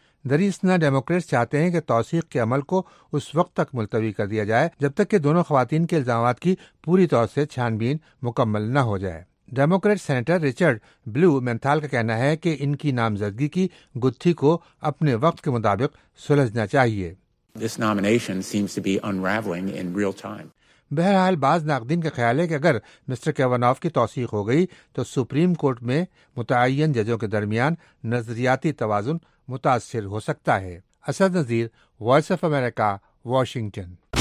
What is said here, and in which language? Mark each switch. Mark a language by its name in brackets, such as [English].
[Urdu] دراصل ڈیموکریٹس چاہتے ہیں کہ توثیق کے عمل کو اس وقت تک ملتوی کر دیا جائے جب تک کہ دونوں خواتین کے الزامات کی پوری طور سے چھان بین مکمل نہ ہو جائے۔ ڈیموکریٹ سینیٹر رچرڈ بلو مینتھال کا کہنا ہے کہ ان کی نامزدگی کی گتھی کو اپنے وقت کے مطابق سلجھنا چاہیے۔ [English] This nomination seems to be unraveling in real time. [Urdu] بہرحال بعض ناقدین کا خیال ہے کہ اگر مسٹر کیوانوف کی توثیق ہو گئی تو سپریم کورٹ میں متعین ججوں کے درمیان نظریاتی توازن متاثر ہو سکتا ہے۔ Asad Nazir, voice of America, Washington.